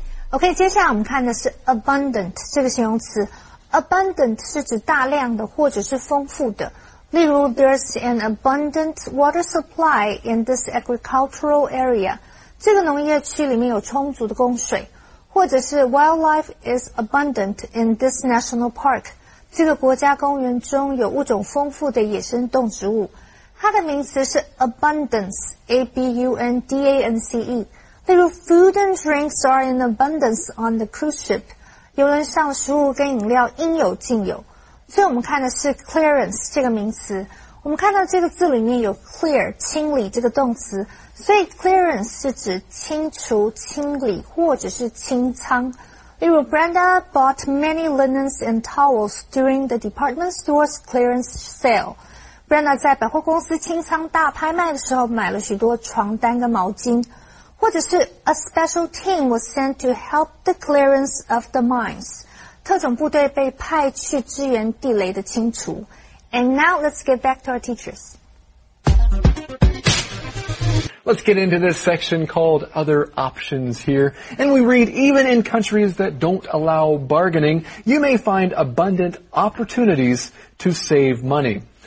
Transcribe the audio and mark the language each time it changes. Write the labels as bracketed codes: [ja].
[zh] OK, 接下来我们看的是 abundant 这个形容词。abundant 是指大量的或者是丰富的。例如 [en] there's an abundant water supply in this agricultural area. [zh] 这个农业区里面有充足的供水。或者是 [en] wildlife is abundant in this national park. [zh] 这个国家公园中有物种丰富的野生动植物。它的名词是 abundance, A-B-U-N-D-A-N-C-E。例如 [en] food and drinks are in abundance on the cruise ship. [zh] 游轮上食物跟饮料应有尽有。所以我们看的是 clearance 这个名词。我们看到这个字里面有 clear, 清理这个动词。所以 clearance 是指清除、清理或者是清仓。例如 [en] Brenda bought many linens and towels during the department store's clearance sale. [zh] Brenda 在百货公司清仓大拍卖的时候买了许多床单跟毛巾。或者是 [en] a special team was sent to help the clearance of the mines. [zh] 特种部队被派去支援地雷的清除。 [en] And now let's get back to our teachers. Let's get into this section called Other Options here. And we read, even in countries that don't allow bargaining, you may find abundant opportunities to save money.